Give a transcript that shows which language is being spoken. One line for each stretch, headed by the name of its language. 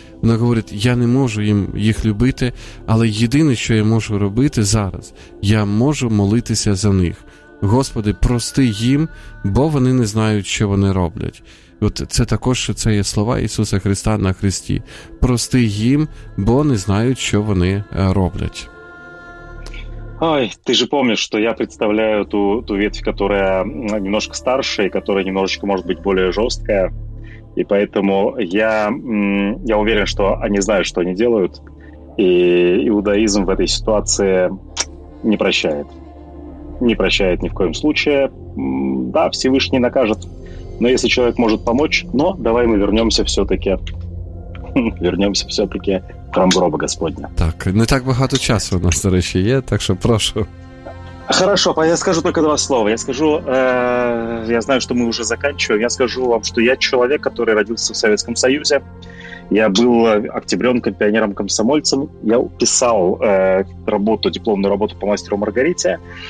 Ukrainian: Вона говорить: я не можу їх любити, але єдине, що я можу робити зараз, я можу молитися за них. Господи, прости їм, бо вони не знають, що вони роблять. От це також, це є слова Ісуса Христа на хресті. Прости їм, бо не знають, що вони роблять.
Russian: Ой, ты же помнишь, что я представляю ту ветвь, которая немножко старше и которая немножечко может быть более жесткая. И поэтому я уверен, что они знают, что они делают. И иудаизм в этой ситуации не прощает. Не прощает ни в коем случае. Да, Всевышний накажет. Но если человек может помочь, но давай мы вернемся все-таки в храм гроба Господня.
Ukrainian: Так, не так багато часу у нас, до речі, є, так що прошу.
Russian: Хорошо, я скажу только два слова. Я скажу, я знаю, что мы уже заканчиваем. Я скажу вам, что я человек, который родился в Советском Союзе. Я был октябренком, пионером-комсомольцем. Я писал работу, дипломную работу по «Мастеру Маргарите».